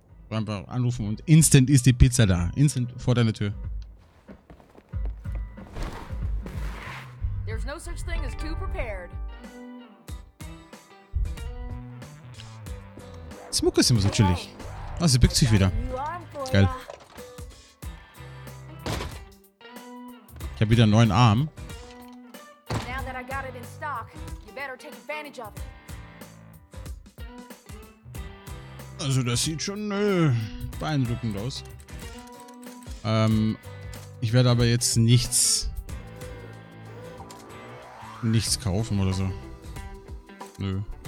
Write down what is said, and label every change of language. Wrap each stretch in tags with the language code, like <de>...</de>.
<de>Einfach anrufen und instant ist die Pizza da. Instant vor deiner Tür.</de> <en>There's no such thing as too prepared.</en> <de>Das Mucke ist immer so chillig. Ah, sie bückt sich wieder. Geil. Ich habe wieder einen neuen Arm.</de> <en>Now that I got it in stock, you better take advantage of it.</en> <de>Also das sieht schon beeindruckend aus. Ich werde aber jetzt nichts kaufen oder so. Nö.</de>